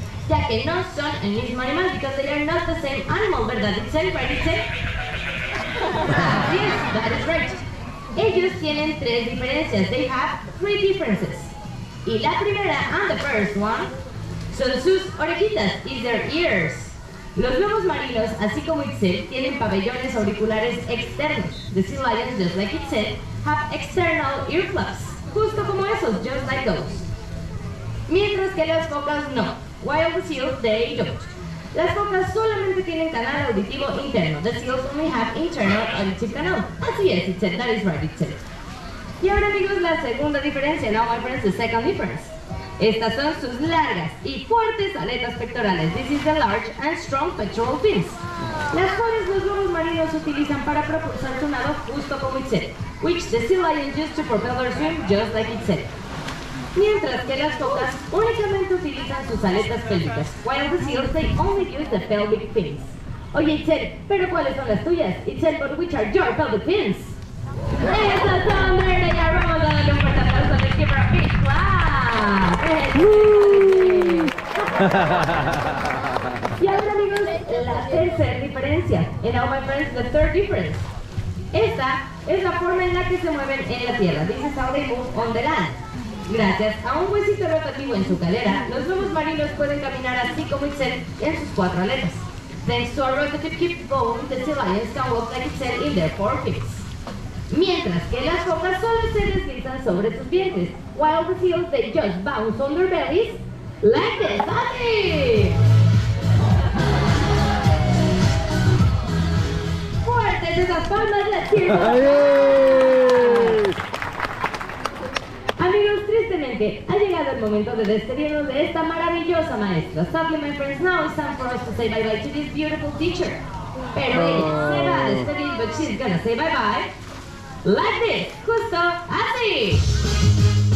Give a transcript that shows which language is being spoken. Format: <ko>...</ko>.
<es>Ya que no son el mismo animal</es> <en>because they are not the same animal,</en> <es>¿verdad Itzel? Right, Itzel?</es> <en>Yes, that is right.</en> <es>Ellos tienen tres diferencias.</es> <en>They have three differences.</en> <es>Y la primera,</es> <en>and the first one,</en> <es>son sus orejitas,</es> <en>is their ears.</en> <es>Los lobos marinos, así como Itzel, tienen pabellones auriculares externos.</es> <en>The sea lions, just like Itzel, have external earplugs.</en> <es>Justo como esos,</es> <en>just like those.</en> <es>Mientras que las focas no.</es> <en>While the seals, they don't.</en> <es>Las focas solamente tienen canal auditivo interno.</es> <en>The seals only have internal auditive canal.</en> <es>Así es,</es> <en>Itzel, that is right, Itzel.</en> <es>Y ahora, amigos, la segunda diferencia.</es> <en>Now, my friends, the second difference.</en> <es>Estas son sus largas y fuertes aletas pectorales.</es> <en>This is the large and strong pectoral fins.</en> <es>Las cuales los lobos marinos utilizan para propulsar su nado justo como Itzel,</es> <en>which the sea lions use to propel their swim just like Itzel.</en> <es>Mientras que las focas únicamente utilizan sus aletas pélvicas,</es> <en>while the seals, they only use the pelvic fins.</en> <es>Oye, Itzel, ¿pero cuáles son las tuyas?</es> <en>Itzel, but which are your pelvic fins?</en> <es>Esas son verde y aroma. Un fuerte aplauso de Kipper a Fish Club. Y ahora, amigos, la tercera diferencia.</es> <en>And now, my friends, the third difference.</en> <es>Esta es la forma en la que se mueven en la tierra.</es> <en>This is how they move on the land.</en> <es>Gracias a un huesito rotativo en su cadera, los lobos marinos pueden caminar así como Itzel en sus cuatro aletas.</es> <en>Thanks to a rotative hip bone, the sea lions can walk like Itzel in their four feet.</en> <es>Mientras que las focas solo se deslizan sobre sus vientres,</es> <en>while the seals, they just bounce on their bellies like a zombie.</en> <es>Amigos, tristemente, ha llegado el momento de despedirnos de esta maravillosa maestra.</es> <en>Sadly, my friends, now it's time for us to say bye-bye to this beautiful teacher.</en> <es>Pero ella se va a despedir,</es> <en>but she's gonna say bye-bye. like this.</en> <es>Justo así.</es>